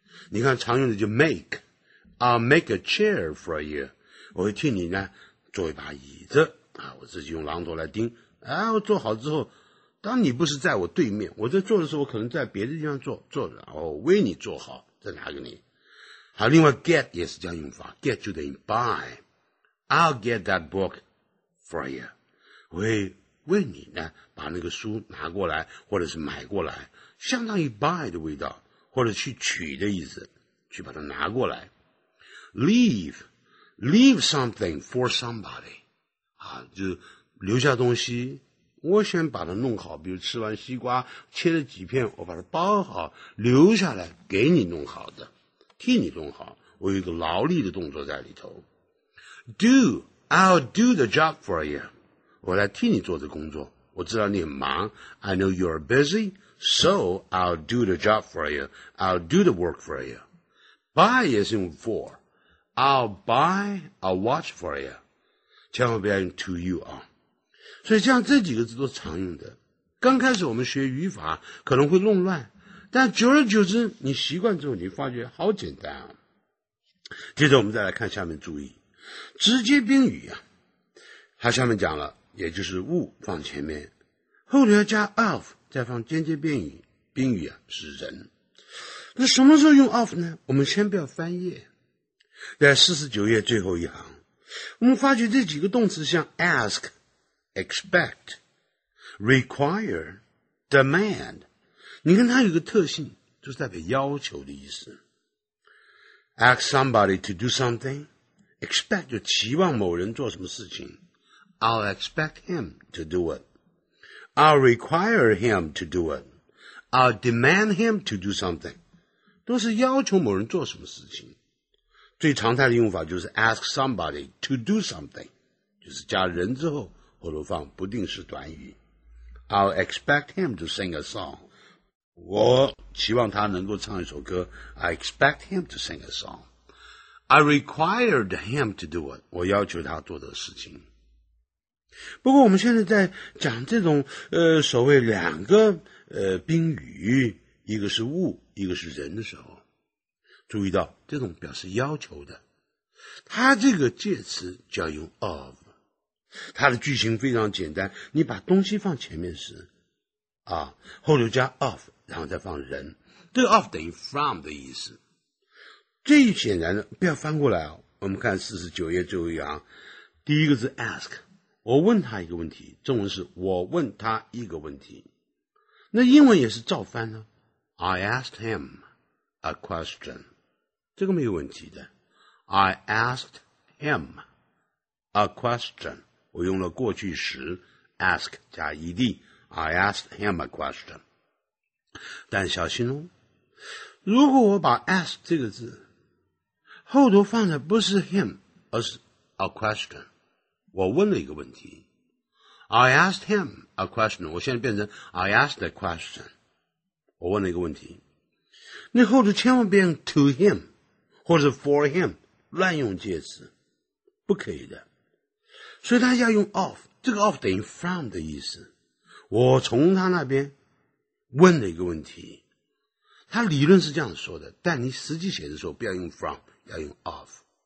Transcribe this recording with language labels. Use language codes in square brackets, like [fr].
[zh] 你看常用的就 make， [en] I'll make a chair for you， [zh] 我会替你呢做一把椅子。啊，我自己用狼舵来盯。啊，我做好之后，当你不是在我对面，我在做的时候，我可能在别的地方坐着，然后为你做好，再拿给你。好，另外 get 也是这样用法 ，get 就等于 buy。 [en] I'll get that book for you。 [zh] 为你呢，把那个书拿过来，或者是买过来，相当于 buy 的味道，或者去取的意思，去把它拿过来。 [en] Leave something for somebody。 [zh] 啊，就留下东西，我先把它弄好，比如吃完西瓜，切了几片，我把它包好，留下来给你弄好的，替你弄好，我有一个劳力的动作在里头。 [en] I'll do the job for you。 [zh] 我来替你做这工作，我知道你很忙 [en] ，I know you're busy, so I'll do the job for you, I'll do the work for you. Buy [zh] 也是用 [en] for, I'll buy a watch for you, [zh] 千万不要用 [en] to you 啊。 [zh] 所以这样这几个字都是常用的。刚开始我们学语法可能会弄乱，但久而久之你习惯之后，你发觉好简单啊。接着我们再来看下面注意，直接宾语啊，它下面讲了。也就是物放前面，后面要加 of， 再放间接宾语。宾语啊是人。那什么时候用 of 呢？我们先不要翻页，在49页最后一行，我们发觉这几个动词像 ask、expect、require、demand， 你看它有个特性，就是代表要求的意思。 [en] Ask somebody to do something， [zh] expect 就期望某人做什么事情。 [en] I'll expect him to do it. I'll require him to do it. I'll demand him to do something. [zh] 都是要求某人做什么事情。最常态的用法就是 [en] ask somebody to do something， [zh] 就是加人之后，或者放不定式短语。 [en] I'll expect him to sing a song. [zh] 我期望他能够唱一首歌。 [en] I expect him to sing a song. I required him to do it. [zh] 我要求他做的事情。不过我们现在在讲这种所谓两个宾语，一个是物，一个是人的时候，注意到这种表示要求的，它这个介词就要用 of， 它的句型非常简单，你把东西放前面时啊，后头加 of， 然后再放人，这个 of 等于 from 的意思。最显然的，不要翻过来啊，我们看49页最后一行，第一个字 ask。我问他一个问题，中文是我问他一个问题，那英文也是照翻呢。 [en] I asked him a question， [zh] 这个没有问题的。 [en] I asked him a question， [zh] 我用了过去时 [en] ask 加 ed， I asked him a question。 [zh] 但小心哦，如果我把 ask 这个字后头放的不是 him， 而是 a question。我问了一个问题 [en] ，I asked him a question。 [zh] 我现在变成 [en] I asked a question。 [zh] 我问了一个问题，那后头千万别用 to him 或者 for him， 乱用介词，不可以的。所以他要用 of， 这个 of 等于 from 的意思。我从他那边问了一个问题，他理论是这样说的，但你实际写的时候不要用 from， 要用 of。